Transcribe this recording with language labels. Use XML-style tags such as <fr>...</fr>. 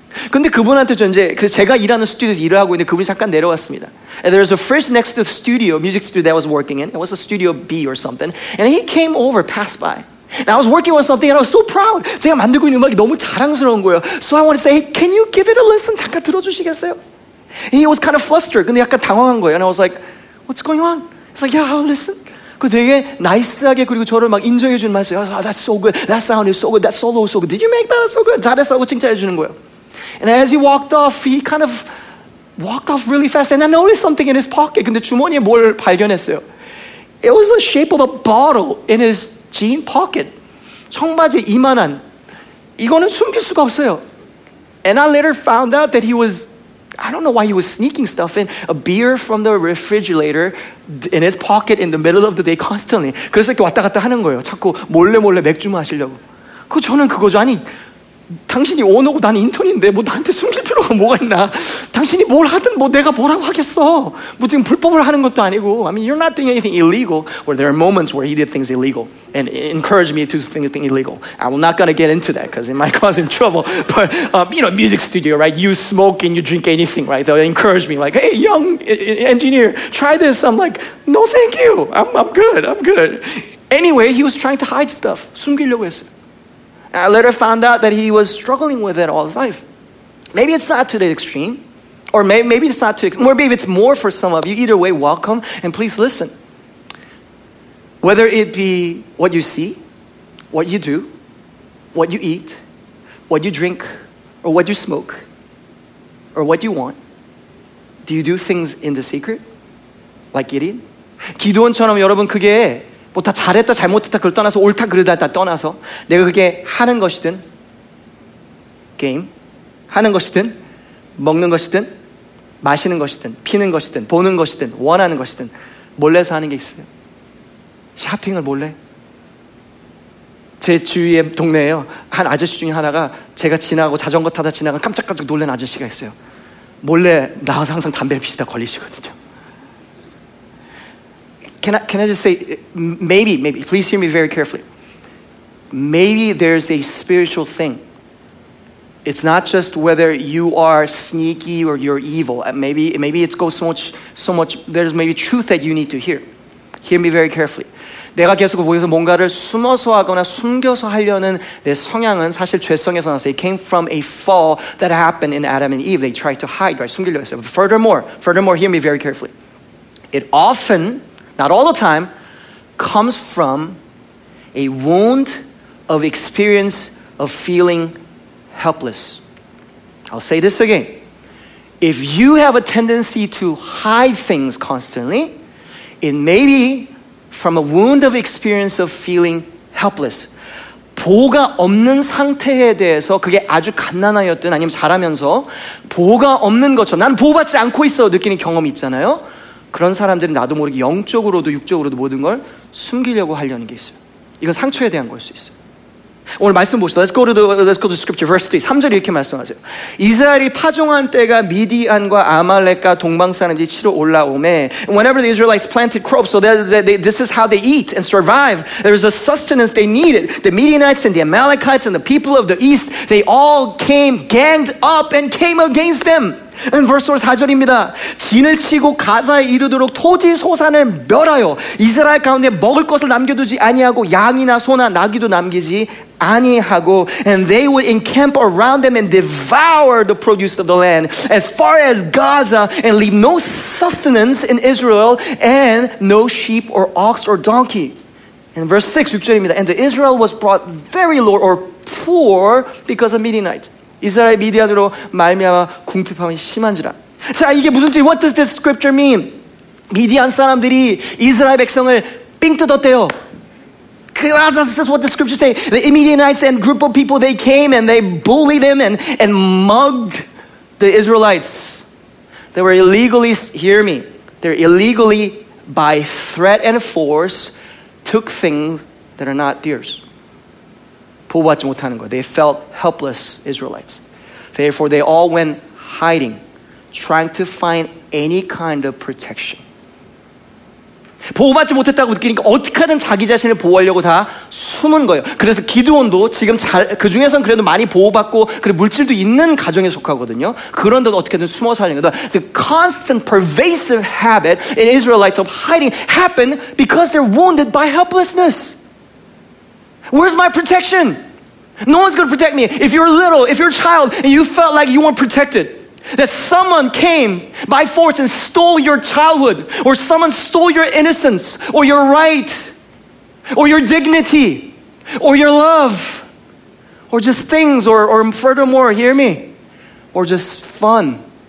<ko>근데 그분한테 저 이제 그 제가 일하는 스튜디오에서 일을 하고 있는데 그분이 잠깐 내려왔습니다.</ko> <en>And there was a fridge next to the studio, music studio that I was working in. It was a studio B or something. And he came over, passed by. And I was working on something and I was so proud.</en> <ko>제가 만들고 있는 음악이 너무 자랑스러운 거예요.</ko> <en>So I wanted to say, hey, can you give it a listen?</en> <ko>잠깐 들어주시겠어요?</ko> <en>And he was kind of flustered.</en> <ko>근데 약간 당황한 거예요.</ko> <en>And I was like, what's going on? He's like, yeah, I'll listen.</en> <ko>그 되게 나이스하게 그리고 저를 막 인정해 주는 말이에요.</ko> <en>Oh, that's so good. That sound is so good. That solo is so good. Did you make that so good?</en> <ko>잘했어. 칭찬해 주는 거예요.</ko> <en>And as he walked off, he kind of walked off really fast. And I noticed something in his pocket.</en> <ko>근데 주머니에 뭘 발견했어요.</ko> <en>It was the shape of a bottle in his jean pocket,</en> <ko>청바지 이만한, 이거는 숨길 수가 없어요.</ko> <en>And I later found out that he was, I don't know why he was sneaking stuff in, a beer from the refrigerator in his pocket in the middle of the day constantly.</en> <ko>그래서 이렇게 왔다 갔다 하는 거예요. 자꾸 몰래 몰래 맥주 마시려고. 그 저는 그거죠. 아니, 당신이 오너고 난 인턴인데 뭐 나한테 숨길 필요가 뭐가 있나. 당신이 뭘 하든 뭐 내가 뭐라고 하겠어. 뭐 지금 불법을 하는 것도 아니고.</ko> <en>I mean, you're not doing anything illegal. Well, there are moments where he did things illegal and encouraged me to do something illegal. I'm not going to get into that because it might cause him trouble. But, you know, music studio, right? You smoke and you drink anything, right? They'll encourage me like, hey, young engineer, try this. I'm like, no, thank you. I'm good. Anyway, he was trying to hide stuff.</en> <ko>숨기려고 했어요.</ko> <en>I later found out that he was struggling with it all his life. Maybe it's not to the extreme, or maybe it's not to, or maybe it's more for some of you. Either way, welcome, and please listen. Whether it be what you see, what you do, what you eat, what you drink, or what you smoke, or what you want, do you do things in the secret, like Gideon?</en> <ko>기도원처럼 여러분 그게 뭐 다 잘했다 잘못했다 그걸 떠나서 옳다 그르다 다 떠나서 내가 그게 하는 것이든 게임 하는 것이든 먹는 것이든 마시는 것이든 피는 것이든 보는 것이든 원하는 것이든 몰래서 하는 게 있어요. 샤핑을 몰래. 제 주위에 동네에요. 한 아저씨 중에 하나가 제가 지나고 자전거 타다 지나간 깜짝깜짝 놀란 아저씨가 있어요. 몰래 나와서 항상 담배를 피시다 걸리시거든요.</ko> <en>Can I just say, maybe, please hear me very carefully. Maybe there's a spiritual thing. It's not just whether you are sneaky or you're evil. Maybe it goes so much, there's maybe truth that you need to hear. Hear me very carefully.</en> <ko>내가 계속 보여서 뭔가를 숨어서 하거나 숨겨서 하려는 내 성향은 사실 죄성에서 나왔어요.</ko> <en>It came from a fall that happened in Adam and Eve. They tried to hide, right?</en> <ko>숨기려고 했어요.</ko> <en>But furthermore, hear me very carefully. It often, not all the time, comes from a wound of experience of feeling helpless. I'll say this again. If you have a tendency to hide things constantly, it may be from a wound of experience of feeling helpless.</en> <ko>보호가 없는 상태에 대해서 그게 아주 갓난아이였든 아니면 자라면서 보호가 없는 것처럼 난 보호받지 않고 있어 느끼는 경험이 있잖아요. 그런 사람들은 나도 모르게 영적으로도 육적으로도 모든 걸 숨기려고 하려는 게 있어요. 이건 상처에 대한 걸 수 있어요. 오늘 말씀 보시죠.</ko> <en>Let's go to scripture verse 3.</en> <ko>3절 이렇게 말씀하세요. 이스라엘이 파종한 때가 미디안과 아말렉과 동방 사람들이 치러 올라오매.</ko> <en>Whenever the Israelites planted crops, so this is how they eat and survive. There is a sustenance they needed. The Midianites and the Amalekites and the people of the east, they all came, ganged up and came against them. And verse</en> <ko>4절입니다. 진을 치고 가사에 이르도록 토지 소산을 멸하여 이스라엘 가운데 먹을 것을 남겨두지 아니하고 양이나 소나 나귀도 남기지 아니하고</ko> <en>And they would encamp around them and devour the produce of the land as far as Gaza and leave no sustenance in Israel and no sheep or ox or donkey. And verse 6,</en> <ko>6절입니다.</ko> <en>And the Israel was brought very low or poor because of Midianite.</en> <ko>이스라엘 미디안으로 말미암아 궁핍함이 심한지라. 자, 이게 무슨지</ko> <en>What does this scripture mean?</en> <ko>미디안 사람들이 이스라엘 백성을 삥 뜯었대요.</ko> <en>This is what the scriptures say. The Midianites and group of people, they came and they bullied them and mugged the Israelites. They were illegally, hear me, they're illegally by threat and force took things that are not theirs.</en> <ko>보호받지 못하는 거예요.</ko> <en>They felt helpless Israelites. Therefore, they all went hiding, trying to find any kind of protection.</en> <ko>보호받지 못했다고 느끼니까 어떻게 하든 자기 자신을 보호하려고 다 숨은 거예요. 그래서 기드온도 지금 잘, 그 중에서는 그래도 많이 보호받고 그리고 물질도 있는 가정에 속하거든요. 그런데 어떻게든 숨어 살려고.</ko> <en>The constant pervasive habit in Israelites of hiding happened because they're wounded by helplessness. Where's my protection? No one's going to protect me. If you're little, if you're a child, and you felt like you weren't protected, that someone came by force and stole your childhood, or someone stole your innocence, or your right, or your dignity, or your love, or just things, or furthermore, hear me, or just fun.</en>